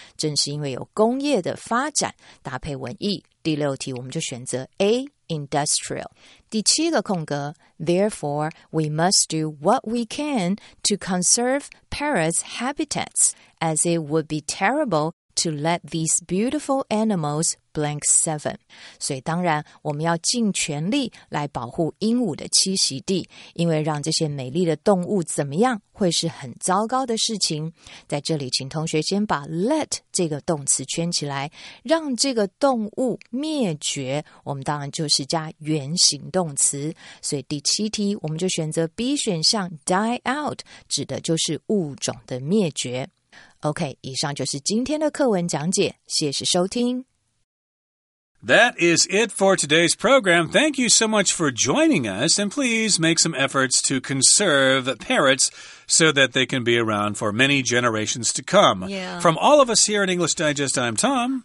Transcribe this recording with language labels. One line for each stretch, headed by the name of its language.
Chinese: 正是因为有工业的发展，搭配文意，第六题我们就选择 A industrial。第七个空格
English: Therefore we must do what we can to conserve parrots habitats as it would be terrible to let these beautiful animals blank seven.
Chinese: 所以当然我们要尽全力来保护鹦鹉的栖息地，因为让这些美丽的动物怎么样会是很糟糕的事情。在这里请同学先把 let 这个动词圈起来，让这个动物灭绝，我们当然就是加原形动词。所以第七题我们就选择 B 选项 die out， 指的就是物种的灭绝。 OK, 以上就是今天的课文讲解，谢谢收听。
English: That is it for today's program. Thank you so much for joining us, and please make some efforts to conserve parrots so that they can be around for many generations to come. Yeah. From all of us here at English Digest, I'm Tom.